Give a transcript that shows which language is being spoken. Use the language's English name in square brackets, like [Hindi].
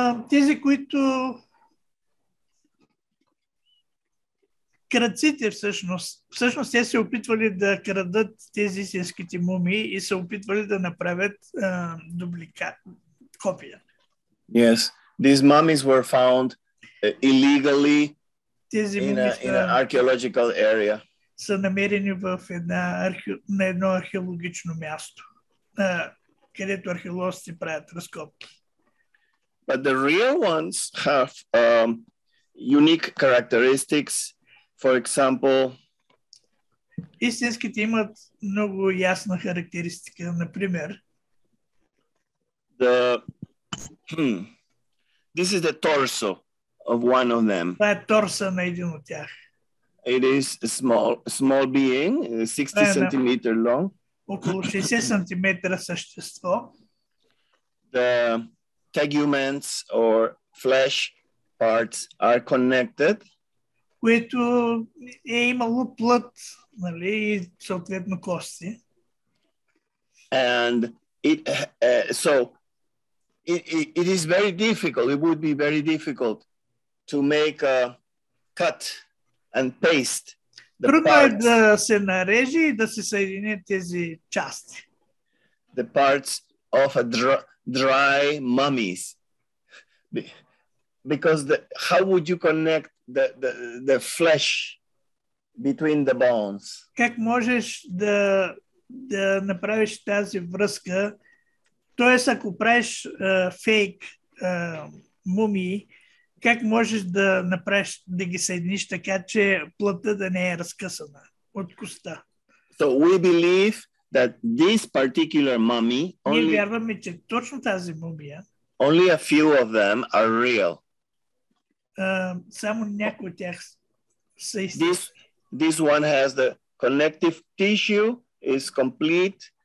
[Bulgarian] Тези, които крадците всъщност те се опитвали да крадат тези истинските мумии и се опитвали да направят дубликат, копия. [English] Yes, these mummies were found illegally in an archaeological area. [Bulgarian] Са намерени в едно археологично място, където археолозите правят разкопки. [English] But the real ones have unique characteristics. For example, [Bulgarian] истинските имат много ясна характеристика, например. [English] This is the torso of one of them. [Bulgarian] Това е торса на един от тях. [English] It is a small being, 60 centimeter long. [Bulgarian] Около 60 сантиметра същество. [English] The tegumens or flesh parts are connected. [Bulgarian] Което е имало плът, нали, и съответно кости. [English] And it so it is very difficult. It would be very difficult to make a cut and paste the [Bulgarian] трудно [English] parts. [Bulgarian] Трудно е да се нарежи и да се съедини тези части. [English] The parts of a dry mummies. Because how would you connect the flesh between the bones? [Bulgarian] Как можеш да направиш тази връзка? Тоест, ако правиш фейк мумии, как можеш да направиш да ги съединиш така, че плътта да не е разкъсана от коста? [English] So we believe that this particular mummy, [Bulgarian] ние вярваме, че точно тази мумия, [English] only a few of them are real. [Bulgarian] Само някои от тях са истински. [English] This one has the connective tissue is complete.